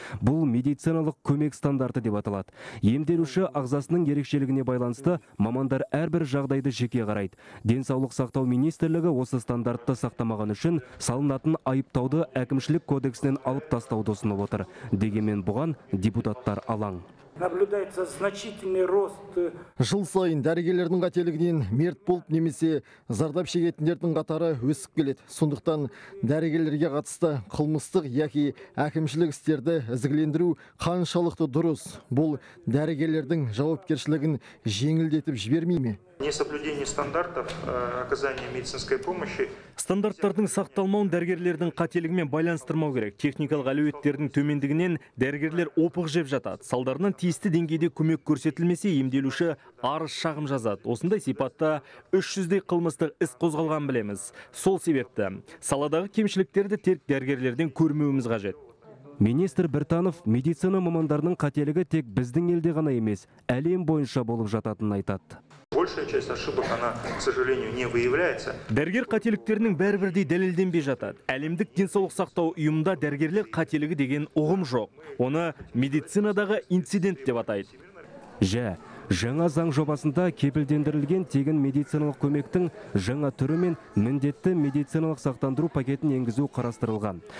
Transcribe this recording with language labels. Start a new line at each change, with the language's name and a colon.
Kazakh: Бұл медициналық көмек стандарты деп аталады. Емделуші ағзасының ерекшелігіне байланысты мамандар әрбір жағдайды жеке қарайды. Денсаулық сақтау министрлігі осы стандартты сақтамаған үшін салынатын айыптауды әкімшілік кодексінен алып тастауды ұсынып отыр. Дегенмен бұған депутат
Russian: Наблюдается значительный рост.
Kazakh: Жыл сайын дәрігерлердің қателігінен мерт болып немесе зардап шегетіндердің қатары өсіп келеді. Сондықтан дәрігерлерге қатысты қылмыстық яки әкімшілік істерді ізгілендіру қаншалықты дұрыс? Бұл дәрігерлердің жауапкершілігін жеңілдетіп жібермей ме?
Russian: Несоблюдение стандартов оказания медицинской помощи.
Kazakh: Стандарттардың сақталмауын дәрігерлердің қателігімен байланыстырмау керек. Техникалық әлеуеттердің төмендігінен дәрігерлер опық жеп жатады. Салдарынан тиісті деңгейде көмек көрсетілмесе, емделуші арыз шағым жазады. Осындай сипатта 300-дей қылмыстық іс қозғалған білеміз. Сол себепті саладағы кемшіліктерді тек дәрігерлерден көрмеуіміз қажет. Министр Біртанов медицина мамандарының қателігі тек біздің елде ғана емес, әлем бойынша болып жататынын айтады.
Russian: Большая часть ошибок, она, к сожалению, не выявляется.
Kazakh: Дәрігер қателіктерінің бәрі-бірдей дәлелденбей жатады. Әлемдік денсаулық сақтау ұйымында дәрігерлер қателігі деген ұғым жоқ. Оны медицинадағы инцидент деп атайды. Жаңа заң жобасында кепілдендірілген тегін медициналық көмектің жаңа түрі мен міндетті медициналық сақтандыру пакетін енгізу қарастырылған.